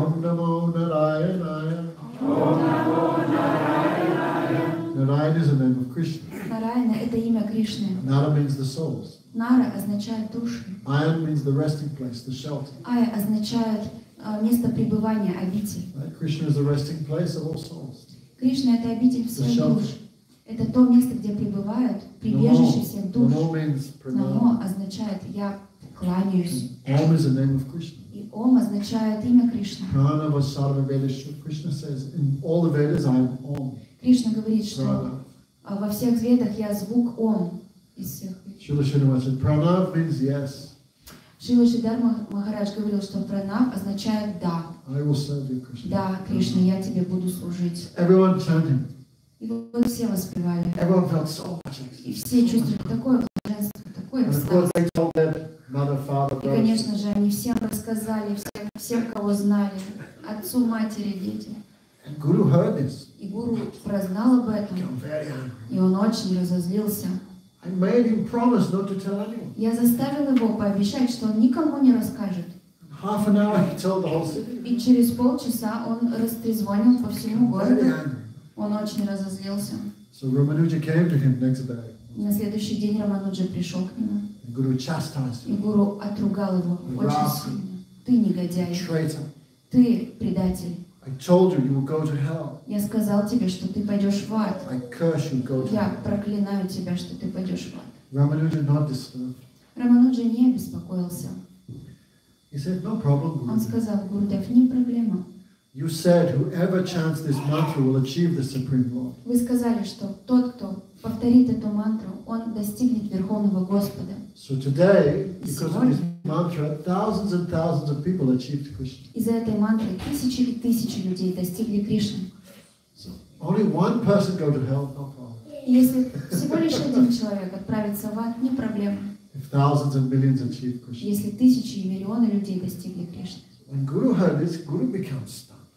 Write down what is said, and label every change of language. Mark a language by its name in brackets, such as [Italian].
[Sanskrit] Om Namo Narayanaya. [English] Narayana is the name of Krishna. [Russian] Narayana – это имя Кришны. [English] Nara means the souls. [Russian] Nara означает души. [English] Ayan means the resting place, the shelter. [Russian] Ая означает место пребывания, обитель. [English] Krishna is the resting place of all souls. [Russian] Кришна – это обитель всех душ. Это то место, где пребывают прибежище всех душ. Намо означает «я кланяюсь». И Ом означает имя Кришны. [English] Prana Vasarva Veda Krishna says, in all the Vedas, I am Om. [Russian] Кришна говорит, что Prana. Во всех ведах я звук Ом из всех. Шрила Шридхар [English] said, Prana means yes. [Russian] Шрила Шридхар Махарадж говорил, что Прана означает «да». [English] I will serve you, Krishna. [Russian] Да, Кришна, я тебе буду служить. [English] Everyone chanting. [Russian] И вот все воспевали. [English] Everyone felt so much. [Russian] И все чувствовали такое блаженство, такое счастье. [English] Mother, father, [Russian] и, конечно же, они всем рассказали, всем, кого знали, отцу, матери, дети. [English] And Guru heard this. [Russian] И Гуру прознал об этом. И он очень разозлился. [English] I made him promise not to tell anyone. [Russian] Я заставил его пообещать, что он никому не расскажет. [English] half an hour he told the whole city. [Russian] И через полчаса он растрезвонил по всему городу. Он очень разозлился. [English] So Ramanuja came to him next day. [Russian] На следующий день Рамануджа пришел к нему. [English] And Guru chastised him. [Russian] И гуру отругал его очень сильно. Ты негодяй. [English] Traitor. [Russian] Ты предатель. [English] I told you you will go to hell. [Russian] Я сказал тебе, что ты пойдешь в ад. [English] I curse you, go to hell. [Russian] Я проклинаю тебя, что ты пойдешь в ад. [English] Ramanuja not disturbed. [Russian] Рамануджа не беспокоился. [English] He said, no problem, Guru. [Russian] Он сказал, Гурудев, не проблема. [English] You said, whoever chants this mantra will achieve the supreme lord. [Russian] Вы сказали, что тот, кто повторит эту мантру, он достигнет верховного Господа. [English] So today, because of this mantra, thousands and thousands of people achieved Krishna. [Russian] Из-за этой мантры тысячи и тысячи людей достигли Кришны. [English] So only one person go to hell, no problem. [Russian] Если всего лишь один человек отправится в ад, не проблема. [English] If thousands and millions achieve Krishna. [Russian] Если тысячи и миллионы людей достигли Кришны. [English] When Guru heard this, Guru became stunned.